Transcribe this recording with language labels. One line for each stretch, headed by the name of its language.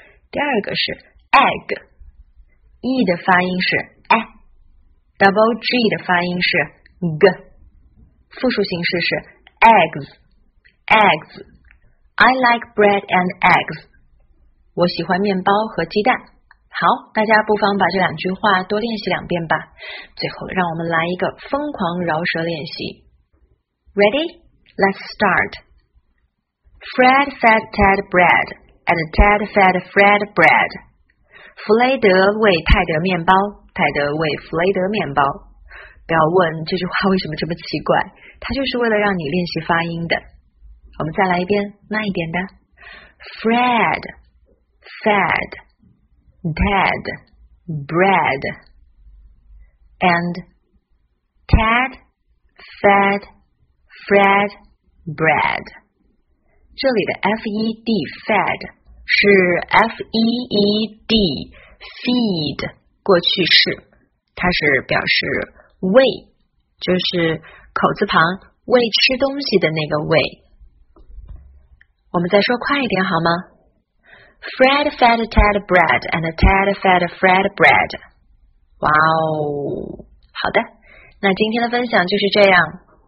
Chinese: 第二个是 egg， E 的发音是 E， double G 的发音是 G，复数形式是 eggs， eggs，
English: I like bread and eggs，
Chinese: 我喜欢面包和鸡蛋。好，大家不妨把这两句话多练习两遍吧。最后，让我们来一个疯狂饶舌练习。
English: Ready? Let's start. Fred fed Ted bread, and Ted fed Fred bread.
Chinese: 弗雷德喂泰德面包，泰德喂弗雷德面包。不要问这句话为什么这么奇怪，它就是为了让你练习发音的。我们再来一遍，慢一点的。
English: Fred fed Ted bread and Ted fed Fred bread.
Chinese: 这里的 F-E-D fed 是 F-E-E-D feed 过去式，它是表示喂，就是口字旁喂吃东西的那个喂。我们再说快一点好吗？
English: Fred fed Ted bread and Ted fed Fred bread.
Chinese: 哇哦，好的，那今天的分享就是这样。